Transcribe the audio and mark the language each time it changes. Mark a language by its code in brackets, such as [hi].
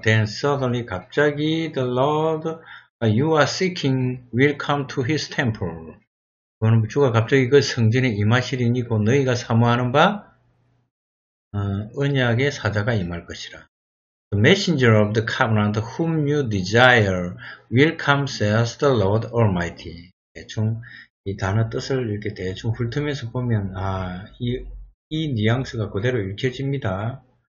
[en] Then suddenly, 갑자기 the Lord you are seeking will come to his temple. [ko] 주가 갑자기 그 성전에 임하시리니 곧 너희가 사모하는 바 언약의 사자가 임할 것이라. [en] The messenger of the covenant whom you desire will come, says the Lord Almighty. [ko] 대충 이 단어 뜻을 이렇게 대충 훑으면서 보면 이 뉘앙스가 그대로 읽혀집니다.